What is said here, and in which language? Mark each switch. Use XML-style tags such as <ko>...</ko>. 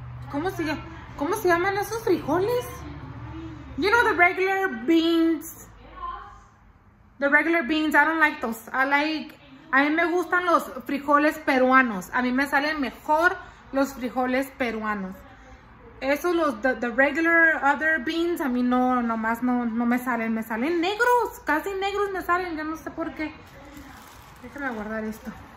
<es>¿Cómo se llaman esos frijoles?</es> <en>You know, the regular beans. The regular beans, I don't like those.</en> <es>A mí me gustan los frijoles peruanos. A mí me salen mejor los frijoles peruanos. Eso, los</es> <en>the regular other beans,</en> <es>a mí no, nomás no me salen. Me salen negros, casi negros me salen. Yo no sé por qué. Déjame guardar esto.</es>